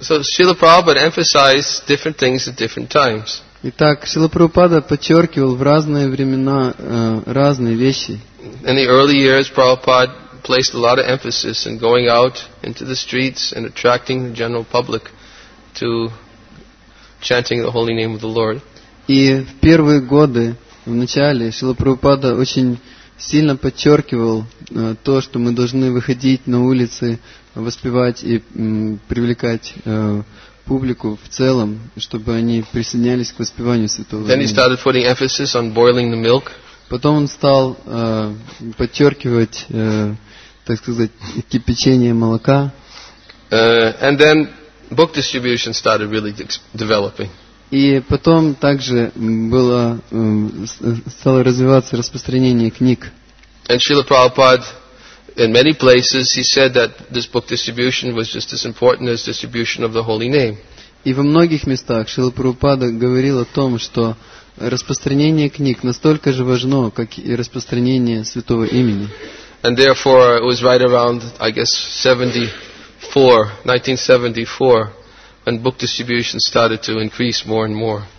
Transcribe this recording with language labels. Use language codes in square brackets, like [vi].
[en] So, Srila Prabhupada emphasized different things at different times. [ru] Итак, Шрила Прабхупада подчеркивал в разные времена разные вещи. [en] In the early years, Prabhupada placed a lot of emphasis in going out into the streets and attracting the general public to chanting the holy name of the Lord. [ru] И в первые годы, в начале, Шрила Прабхупада очень сильно подчеркивал то, что мы должны выходить на улицы, воспевать и привлекать публику в целом, чтобы они присоединялись к воспеванию святого имени. [en] Then he started putting emphasis on boiling the milk. [ru] Потом он стал подчеркивать так сказать, кипячение молока. [en] And then book distribution started really developing. [ru] И потом также было стало развиваться распространение книг. [en] And Srila Prabhupada in many places he said that this book distribution was just as important as distribution of the holy name. [ru] И во многих местах Шрила Прабхупада говорил о том, что распространение книг настолько же важно, как и распространение святого имени. [en] And therefore, it was right around, I guess, 74, 1974, when book distribution started to increase more and more.